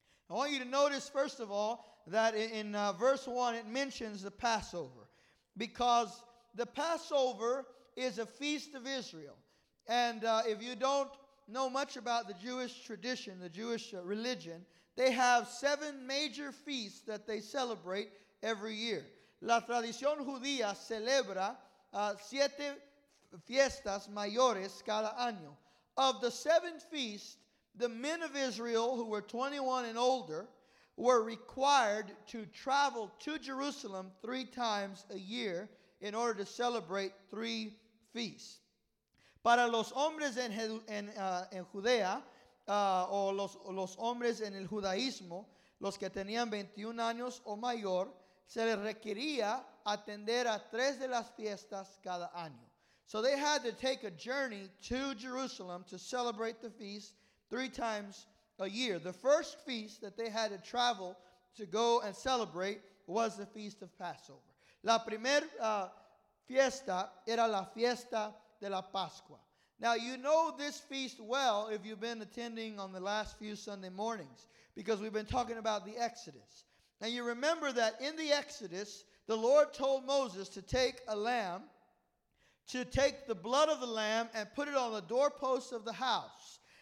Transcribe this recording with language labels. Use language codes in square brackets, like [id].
[en] I want you to notice, first of all, that in verse 1 it mentions the Passover, because the Passover is a feast of Israel. And if you don't know much about the Jewish tradition, the Jewish religion, they have 7 major feasts that they celebrate every year. [es] La tradición judía celebra 7 fiestas mayores cada año. [en] Of the 7 feasts, the men of Israel who were 21 and older were required to travel to Jerusalem 3 times a year in order to celebrate 3 feasts. [es] Para los hombres en Judea, o los hombres en el judaísmo, los que tenían 21 años o mayor, se les requería atender a 3 de las fiestas cada año. [en] So they had to take a journey to Jerusalem to celebrate the feast 3 times a year. The first feast that they had to travel to go and celebrate was the Feast of Passover. [es] La primera fiesta era la fiesta de la Pascua. [en] Now you know this feast well if you've been attending on the last few Sunday mornings, because we've been talking about the Exodus. And you remember that in the Exodus, the Lord told Moses to take a lamb, to take the blood of the lamb and put it on the doorposts of the house.